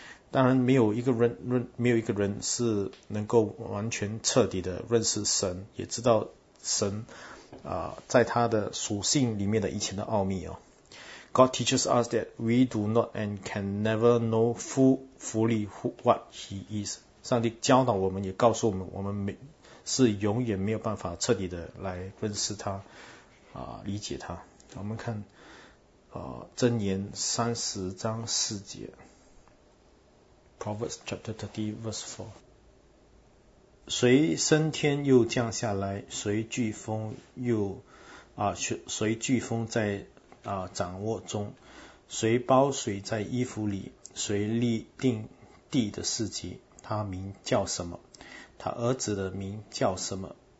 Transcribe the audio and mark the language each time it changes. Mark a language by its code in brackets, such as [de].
[zh] 当然没有一个人是能够完全彻底的认识神，也知道神在他的属性里面的一切的奥秘。 [en] God teaches us that we do not and can never know fully what he is. [zh] 上帝教导我们，也告诉我们，我们没是永远没有办法彻底的来认识他理解他。我们看箴言三十章四节 [en] Proverbs chapter 30 verse 4， [zh] 谁升天又降下来，谁飓风又谁飓风在掌握中，谁包谁在衣服里，谁立定地的四极，他名叫什么，他儿子的名叫什么